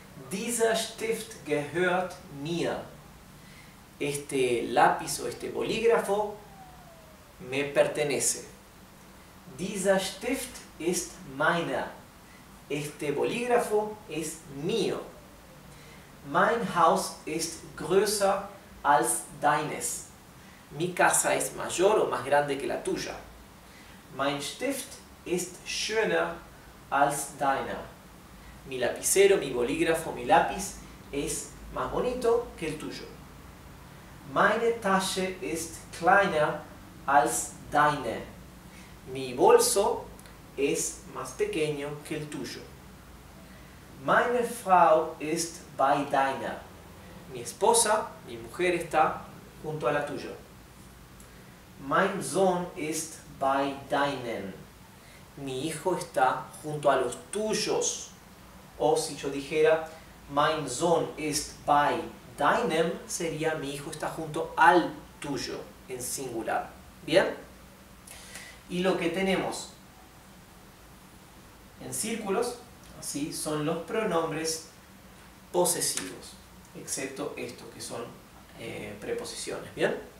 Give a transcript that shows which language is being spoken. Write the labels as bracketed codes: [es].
[de] Dieser Stift gehört mir. [es] Este lápiz o este bolígrafo me pertenece. [de] Dieser Stift ist meiner. [es] Este bolígrafo es mío. [de] Mein Haus ist größer als deines. [es] Mi casa es mayor o más grande que la tuya. [de] Mein Stift ist schöner als deiner. [es] Mi lapicero, mi bolígrafo, mi lápiz es más bonito que el tuyo. [de] Meine Tasche ist kleiner als deine. [es] Mi bolso es más pequeño que el tuyo. [de] Meine Frau ist bei deiner. [es] Mi esposa, mi mujer está junto a la tuya. [de] Mein Sohn ist bei deinen. [es] Mi hijo está junto a los tuyos. O si yo dijera, [de] mein Sohn ist bei deinem, [es] sería mi hijo está junto al tuyo, en singular. ¿Bien? Y lo que tenemos en círculos, así, son los pronombres posesivos, excepto estos que son preposiciones. ¿Bien?